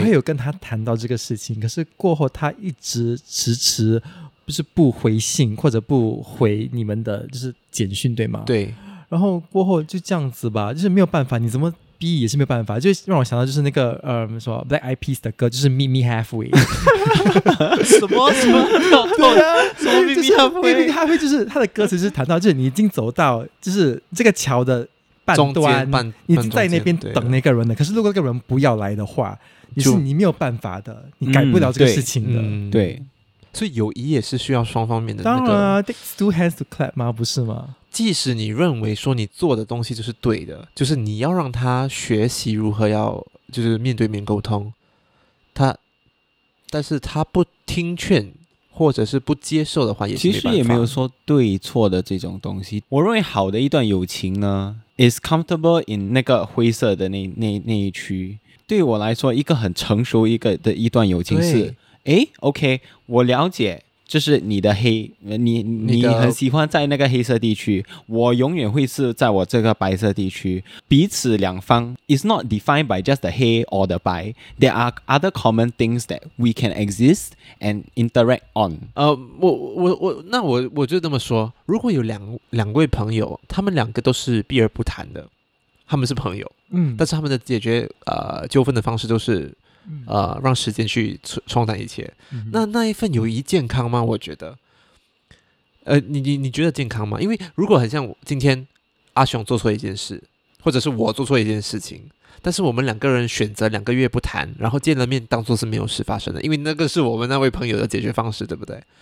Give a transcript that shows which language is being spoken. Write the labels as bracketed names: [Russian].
[Chinese] 我也有跟他谈到这个事情，可是过后他一直迟迟。就是不回信或者不回你们的就是简讯，对吗？对，然后过后就这样子吧，就是没有办法，你怎么逼也是没有办法。就让我想到就是那个什么 Black Eyed Peas 的歌，就是 Meet Me Halfway 什么 Meet Me Halfway Meet Me Halfway 就是他的歌词是谈到就是你已经走到就是这个桥的半端中间半你已经在那边等那个人了，可是如果那个人不要来的话，你是你没有办法的，你改不了这个事情的。对，对，所以友谊也是需要双方面的那个。当然啊 [English] ，takes two hands to clap [Chinese] 吗？不是吗？即使你认为说你做的东西就是对的，就是你要让他学习如何要就是面对面沟通，他，但是他不听劝或者是不接受的话，也是没办法。其实也没有说对错的这种东西。我认为好的一段友情呢 ， [English] is comfortable in [Chinese] 那个灰色的那一区。对我来说，一个很成熟的一段友情是。诶 OK， 我了解，这是你的黑，你很喜欢在那个黑色地区，我永远会是在我这个白色地区。彼此两方 [English] is not defined by just the 黑 or the 白， there are other common things that we can exist and interact on。 [Chinese] 我就这么说，如果有两位朋友，他们两个都是避而不谈的，他们是朋友，但是他们的解决纠纷的方式都是。让时间去冲淡一切。那一份友谊健康吗？我觉得，你觉得健康吗？因为如果很像今天阿雄做错一件事，或者是我做错一件事情，但是我们两个人选择两个月不谈，然后见了面当作是没有事发生的，因为那个是我们那位朋友的解决方式，对不对？